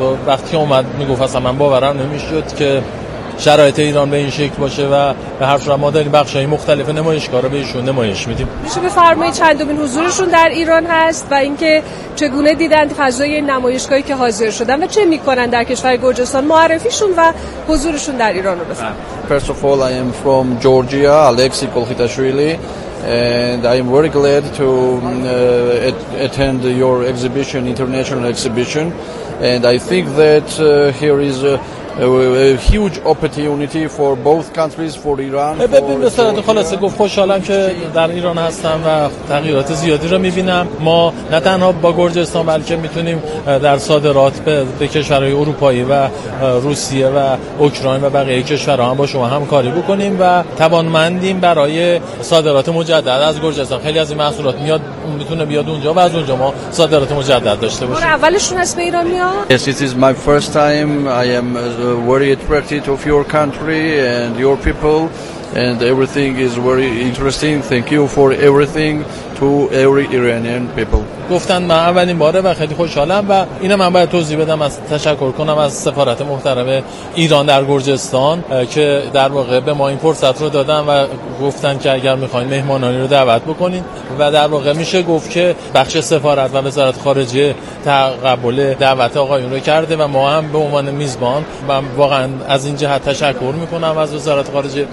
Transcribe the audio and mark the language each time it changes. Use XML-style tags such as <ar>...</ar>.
<fa>وقتی اومد میگفت اصلا من باورم نمیشد که شرایط ایران به این شکل باشه و به حرف را ما داریم بخشای مختلف نمایشگاه را بهشون نمایش میدیم. میشه بفرمایید چندمین حضورشون در ایران هست و اینکه چگونه دیدند فضای این نمایشگاهی که حاضر شدن و چه میکنن در کشور گرجستان؟ معرفیشون و حضورشون در ایران رو بفرمایید.</fa> <en>First of all, I am from Georgia, Alexey Kolkhitashvili, and I am very glad to attend your exhibition, international exhibition, and I think that here is a huge opportunity for both countries, for Iran.</en> <fa>ببین به صورت خلاصه گفت خوشحالم که در ایران هستم و تغییرات زیادی رو میبینم. ما نه تنها با گرجستان بلکه میتونیم در صادرات به کشورهای اروپایی و روسیه و اوکراین و بقیه کشورها هم با شما همکاری بکنیم و توانمندیم برای صادرات مجدد از گرجستان. خیلی از این محصولات میاد میتونه بیاد اونجا و از اونجا ما صادرات مجدد داشته باشیم. برای اولشون هست به ایران میاد؟</fa> <en>Yes, it is my first time. I am very attracted of your country and your people, and everything is very interesting. Thank you for everything to every Iranian people.</en> <fa>گفتن من اولین باره و خیلی خوشحالم و اینه من باید توضیح بدم، از تشکر کنم از سفارت محترم ایران در گرجستان که در واقع به ما این فرصت رو دادن و گفتن که اگر میخواین مهمانانی رو دعوت بکنین و در واقع میشه گفت که بخش سفارت و وزارت خارجه تقبل دعوت آقایون رو کرده و ما هم به عنوان میزبان و واقعا از این جهت تشکر میکنم از وزارت خارجه.</fa>